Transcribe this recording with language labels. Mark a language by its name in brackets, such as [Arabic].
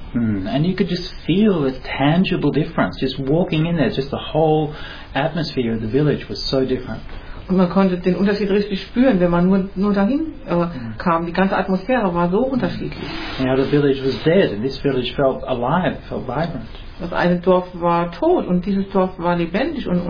[English] And you could just feel the tangible difference just walking in there, just the whole atmosphere of the village was so different. [German] Und man konnte den Unterschied richtig spüren, wenn man nur dahin kam. Die ganze Atmosphäre war so unterschiedlich. [English] Now the village was dead and this village felt alive, felt vibrant. [German] Das eine Dorf war tot und dieses Dorf war lebendig